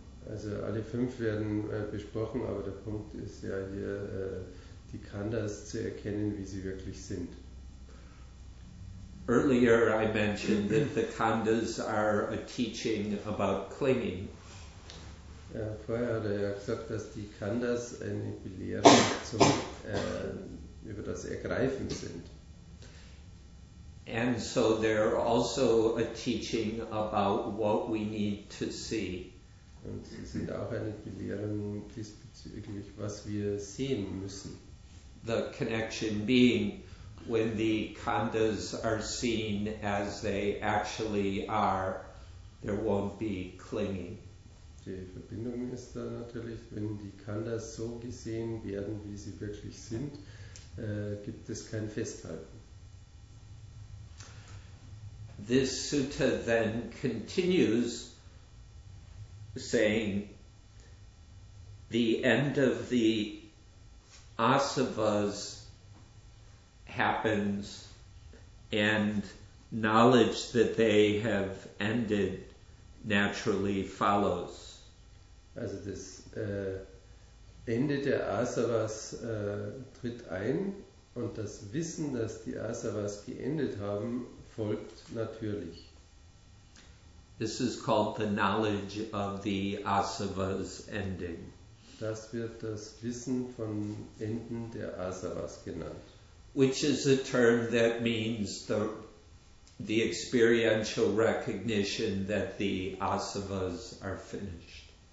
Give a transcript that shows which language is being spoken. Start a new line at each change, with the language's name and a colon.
German: Also alle fünf werden besprochen, aber der Punkt ist ja hier, die Khandhas zu erkennen, wie sie wirklich sind.
English: Earlier I mentioned that the khandhas are a teaching about clinging.
German: Ja, vorher hat er ja gesagt, dass die khandhas eine Belehrung zum, über das Ergreifen sind.
English: And so they're also a teaching about what we need to see.
German: Und sie sind auch eine Belehrung diesbezüglich, was wir sehen müssen.
English: The connection being, when the khandhas are seen as they actually are, there won't be clinging.
German: Die Verbindung ist da natürlich, wenn die khandhas so gesehen werden, wie sie wirklich sind, gibt es kein Festhalten.
English: This sutta then continues saying, the end of the asavas happens, and knowledge that they have ended naturally follows.
German: Also das Ende der Asavas tritt ein, und das Wissen, dass die Asavas geendet haben, folgt natürlich.
English: This is called the knowledge of the Asavas ending.
German: Das wird das Wissen von Enden der Asavas genannt.
English: Which is a term that means the experiential recognition that the asavas are finished.